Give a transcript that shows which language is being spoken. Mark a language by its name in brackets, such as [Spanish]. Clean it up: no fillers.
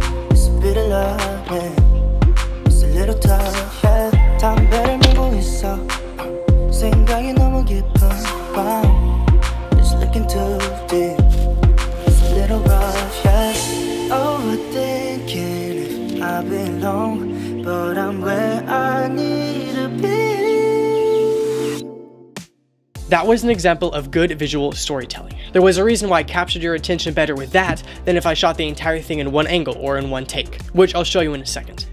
[English] It's a bit of love, it's a little tough, yeah. [Korean] 담배를 물고 있어, 생각이 너무 깊은 밤. [English] It's looking too deep, it's a little rough, yeah. Overthinking if I belong, but I'm where I need to be. That was an example of good visual storytelling. There was a reason why I captured your attention better with that than if I shot the entire thing in one angle or in one take, which I'll show you in a second.